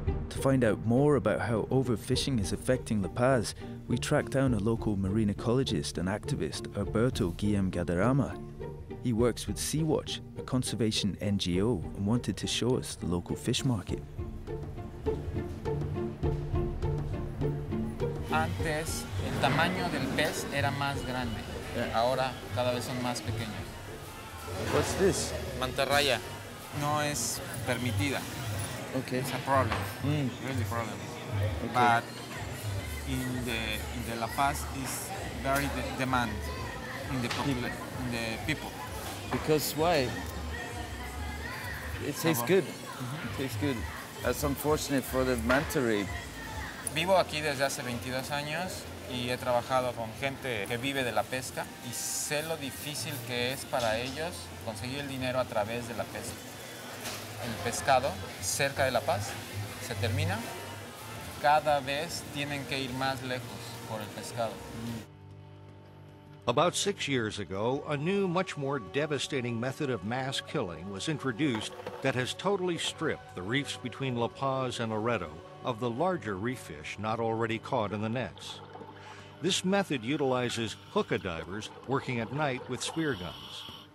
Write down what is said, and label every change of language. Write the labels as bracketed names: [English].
[English] To find out more about how overfishing is affecting La Paz, we tracked down a local marine ecologist and activist, Alberto Guillaume Gadarama. He works with Sea-Watch, a conservation NGO, and wanted to show us the local fish market. [Spanish] Antes, el tamaño del pez era más grande. [English] Yeah. [Spanish] Ahora, cada vez son más pequeños. [English] What's this? [Spanish] Mantarraya. No es permitida. [English] Okay. It's a problem. Really problem. Okay. But in the La Paz is very demand in the people. Because why? It tastes good. Mm-hmm. It tastes good. That's unfortunate for the manta ray. [Spanish] Vivo aquí desde hace 22 años y he trabajado con gente que vive de la pesca y sé lo difícil que es para ellos conseguir el dinero a través de la pesca. El pescado cerca de La Paz se termina, cada vez tienen que ir más lejos por el pescado. [English] About 6 years ago, a new, much more devastating method of mass killing was introduced that has totally stripped the reefs between La Paz and Loreto of the larger reef fish not already caught in the nets. This method utilizes hookah divers working at night with spear guns.